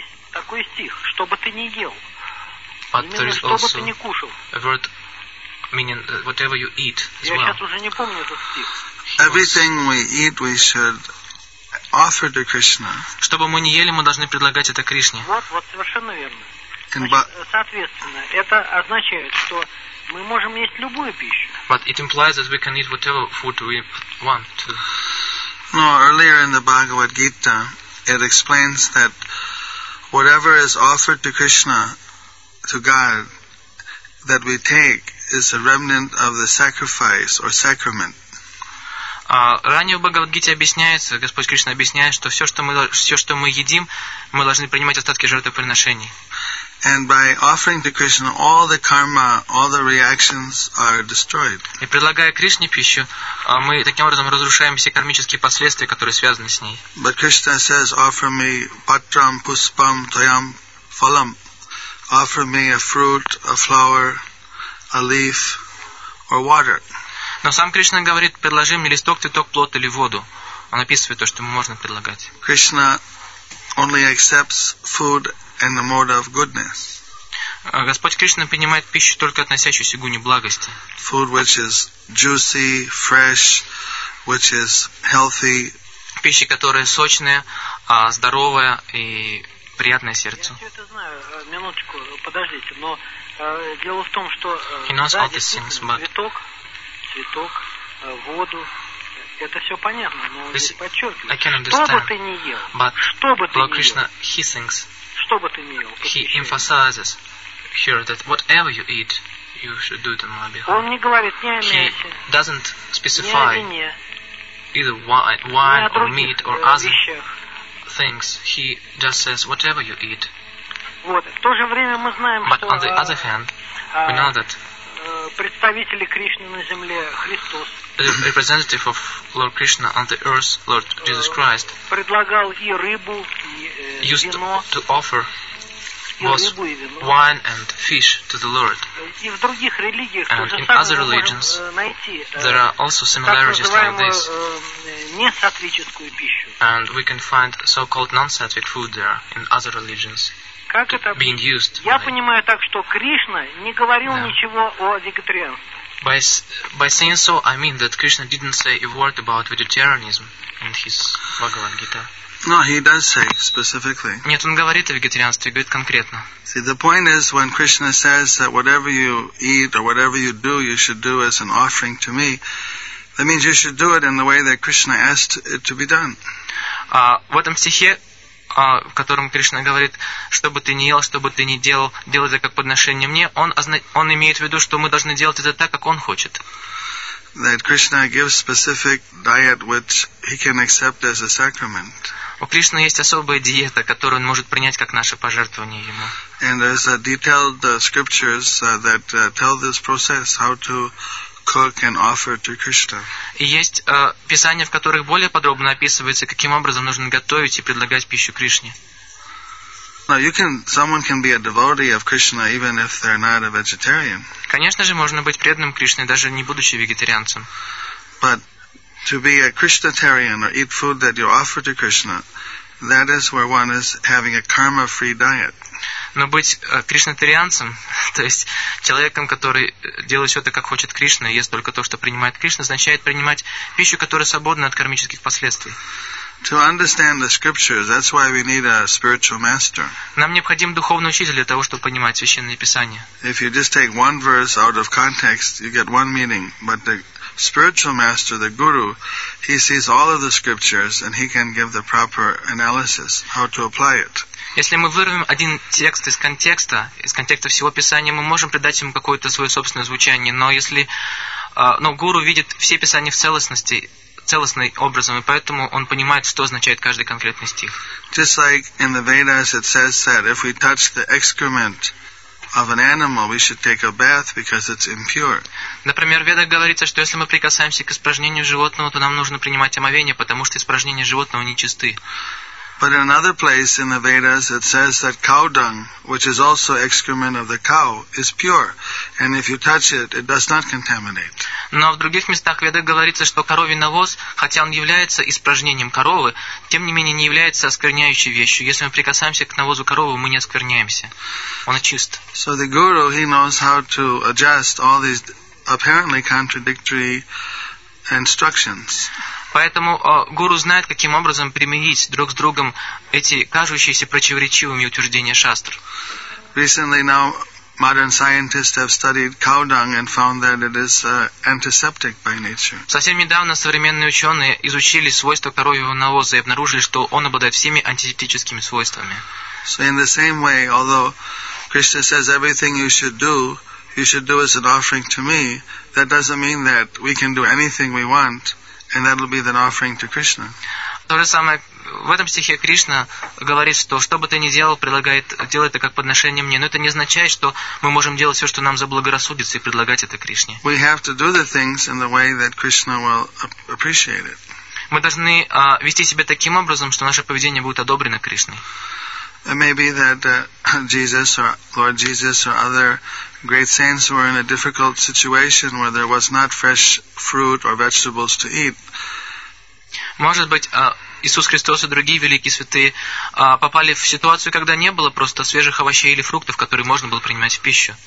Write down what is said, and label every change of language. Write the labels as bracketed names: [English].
[Russian] Такой стих, что бы ты ни ел, именно что бы ты ни кушал. [English] Word meaning whatever you eat as well. [Russian] Я сейчас уже не помню этот стих. [English] Everything we eat, we should offer to Krishna. [Russian] Что бы мы ни ели, мы должны предлагать это Кришне. Вот, совершенно верно. Значит, соответственно, это означает, что мы можем есть любую пищу. [English] But it implies that we can eat whatever food we want to. No, earlier in the Bhagavad Gita, it explains that whatever is offered to Krishna, to God, that we take is a remnant of the sacrifice or sacrament. [Russian] Ранее в Бхагавад-гите объясняется, Господь Кришна объясняет, что все, что мы едим, мы должны принимать остатки жертвоприношений. [English] And by offering to Krishna, all the karma, all the reactions are destroyed. [Russian] И предлагая Кришне пищу, мы таким образом разрушаем все кармические последствия, которые связаны с ней. [English] But Krishna says, offer me [Sanskrit] patram, puspam, toyam, phalam. [English] Offer me a fruit, a flower, a leaf, or water. [Russian] Но сам Кришна говорит, предложи мне листок, цветок, плод или воду. Он описывает то, что ему можно предлагать. [English] Krishna only accepts food and the mode of goodness. [Russian] Господь Кришна принимает пищу, только относящуюся к гуне благости. [English] Food which is juicy, fresh, which is healthy. [Russian] Пища, которая сочная, здоровая и приятная сердцу. Я все это знаю. Минуточку, подождите. Но дело в том, что цветок, воду. Это все понятно, но здесь подчеркиваю. Что бы ты ни ел, [English] He emphasizes here that whatever you eat, you should do it on my behalf. He doesn't specify either wine or meat or other things. He just says whatever you eat. But on the other hand, we know that [Russian] представители Кришны на земле, Христос, [English] the representative of Lord Krishna on the earth, Lord Jesus Christ, [Russian] предлагал и рыбу, и [English] used [Russian] вино, [English] to offer both wine and fish to the Lord. [Russian] И в других религиях, [English] and [Russian] тоже [English] in [Russian] так [English] other religions, [Russian] найти, [English] there are also similarities like this. [Russian] Несатвическую пищу. [English] And we can find so-called non-sattvic food there in other religions. [Russian] Как это? [English] Being used [Russian] Я понимаю так, что Кришна не говорил ничего о вегетарианстве. [English] By saying so, I mean that Krishna didn't say a word about vegetarianism in his Bhagavad Gita. No, he does say specifically. [Russian] Нет, он говорит о вегетарианстве, говорит конкретно. [English] See, the point is when Krishna says that whatever you eat or whatever you do, you should do as an offering to me, that means you should do it in the way that Krishna asked it to be done. [Russian] В этом стихе, в котором Кришна говорит, что бы ты ни ел, что бы ты ни делал, делай это как подношение мне, он имеет в виду, что мы должны делать это так, как он хочет. [English] That Krishna gives specific diet which he can accept as a sacrament. [Russian] У Кришны есть особая диета, которую он может принять как наше пожертвование ему. [English] And there's a detailed scriptures that tell this process how to cook and offer to Krishna. [Russian] И есть писания, в которых более подробно описывается, каким образом нужно готовить и предлагать пищу Кришне. [English] Now you can, someone can be a devotee of Krishna even if they're not a vegetarian. [Russian] Конечно же, можно быть преданным Кришне, даже не будучи вегетарианцем. [English] But to be a Krishnatarian or eat food that you offer to Krishna, that is where one is having a karma-free diet. [Russian] Но быть кришнатарианцем, то есть человеком, который делает все так, как хочет Кришна, и ест только то, что принимает Кришна, означает принимать пищу, которая свободна от кармических последствий. [English] To understand the scriptures, that's why we need a spiritual master. [Russian] Нам необходим духовный учитель для того, чтобы понимать священные писания. [English] If you just take one verse out of context, you get one meaning. But the spiritual master, the guru, he sees all of the scriptures and he can give the proper analysis how to apply it. [Russian] Если мы вырвем один текст из контекста всего писания, мы можем придать ему какое-то свое собственное звучание. Но если, но гуру видит все писания в целостности. Целостным образом, и поэтому он понимает, что означает каждый конкретный стих. [English] Just like in the Vedas it says that if we touch the excrement of an animal, we should take a bath because it's impure. [Russian] Например, в Ведах говорится, что если мы прикасаемся к испражнению животного, то нам нужно принимать омовение, потому что испражнения животного нечисты. [English] But in another place in the Vedas it says that cow dung, which is also excrement of the cow, is pure. And if you touch it, it does not contaminate. [Russian] Но в других местах Ведах говорится, что коровий навоз, хотя он является испражнением коровы, тем не менее не является оскверняющей вещью. Если мы прикасаемся к навозу коровы, мы не оскверняемся. Он чист. [English] So the guru, he knows how to adjust all these apparently contradictory instructions. [Russian] Поэтому гуру знает, каким образом примирить друг с другом эти кажущиеся противоречивыми утверждения шастр. [English] Recently now modern scientists have studied cow dung and found that it is antiseptic by nature. [Russian] Совсем недавно современные ученые изучили свойства коровьего навоза и обнаружили, что он обладает всеми антисептическими свойствами. [English] So in the same way, although Krishna says everything you should do as an offering to me, that doesn't mean that we can do anything we want. And that will be an offering to Krishna. [Russian] То же самое в этом стихе Кришна говорит, что что бы ты ни делал, предлагает делать это как подношение мне. Но это не означает, что мы можем делать все, что нам заблагорассудится, и предлагать это Кришне. [English] We have to do the things in the way that Krishna will appreciate it. [Russian] Мы должны вести себя таким образом, что наше поведение будет одобрено Кришной. [English] It may be that Jesus or Lord Jesus or other great saints were in a difficult situation where there was not fresh fruit or vegetables to eat. [Russian] Может быть, Иисус Христос и другие великие святые попали в ситуацию, когда не было просто свежих овощей или фруктов, которые можно было принимать в пищу.